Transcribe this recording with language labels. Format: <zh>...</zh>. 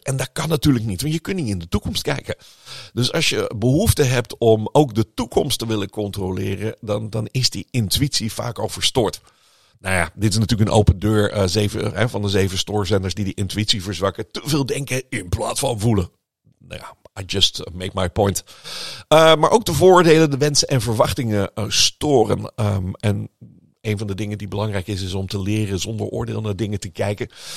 <nl>En dat kan natuurlijk niet, want je kunt niet in de toekomst kijken. Dus als je behoefte hebt om ook de toekomst te willen controleren, dan is die intuïtie vaak al verstoord. Nou ja, dit is natuurlijk een open deur van de 7 stoorzenders die intuïtie verzwakken. Te veel denken in plaats van voelen. Nou ja,</nl> <en>I just make my point.</en> <nl>Maar ook de vooroordelen, de wensen en verwachtingen storen. En een van de dingen die belangrijk is, is om te leren zonder oordeel naar dingen te kijken.</nl>